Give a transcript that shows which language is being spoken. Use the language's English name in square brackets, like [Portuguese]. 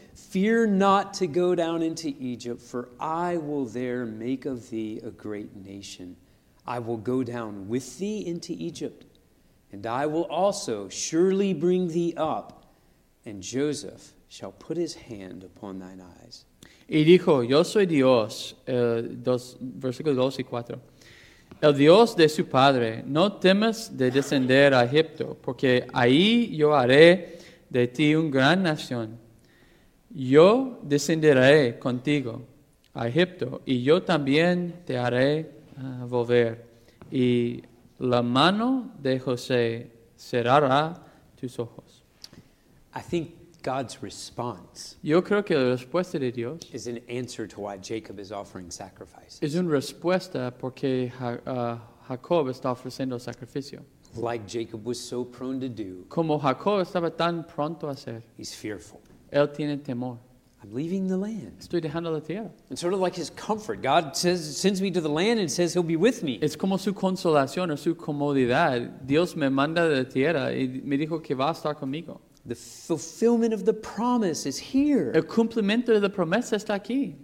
[English] Fear not to go down into Egypt, for I will there make of thee a great nation. I will go down with thee into Egypt, and I will also surely bring thee up, and Joseph shall put his hand upon thine eyes." [Spanish] Y dijo, "Yo soy Dios," versículos 2 y 4, "el Dios de su padre. No temas de descender a Egipto, porque ahí yo haré de ti una gran nación. Yo descenderé contigo a Egipto, y yo también te haré volver. Y la mano de José cerrará tus ojos." [English] I think God's response, [Spanish] yo creo que la respuesta de Dios, [English] is an answer to why Jacob is offering sacrifices. [Spanish] Es una respuesta porque Jacob está ofreciendo sacrificio. [English] Like Jacob was so prone to do. [Spanish] Como Jacob estaba tan pronto a hacer. [English] He's fearful. [Spanish] Él tiene temor. [English] I'm leaving the land. [Spanish] Estoy dejando la tierra. [English] And sort of like his comfort. God says, sends me to the land and says he'll be with me. [Spanish] Es como su consolación o su comodidad. Dios me manda de la tierra y me dijo que va a estar conmigo. [English] The fulfillment of the promise is here. [Spanish] El cumplimiento de la promesa está aquí.